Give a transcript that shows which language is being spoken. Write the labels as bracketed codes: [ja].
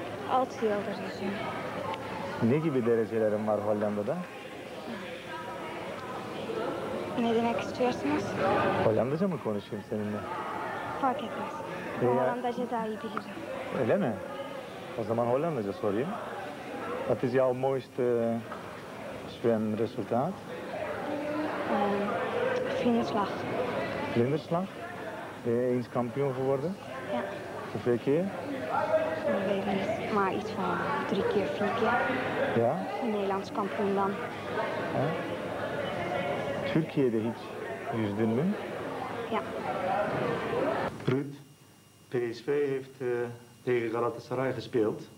[tr] 6 yıldır yüzüyorum. Ne gibi derecelerin var Hollanda'da? Ne demek istiyorsunuz? Hollandaca mı konuşayım seninle? Fark etmez. Hollandaca daha iyi bilirim. Öyle mi? O zaman Hollandaca sorayım. [nl] Wat is jouw mooiste zwemresultaat? Vlinderslag. Ben je eens kampioen geworden? Ja. Hoeveel keer? Ik weet niet, maar iets van 3 keer, 4 keer. Ja? Nederlands kampioen dan. Ja. [tr] Türkiye'de hiç yüzdün mü? [nl] Ja. Ruud, PSV heeft tegen Galatasaray gespeeld.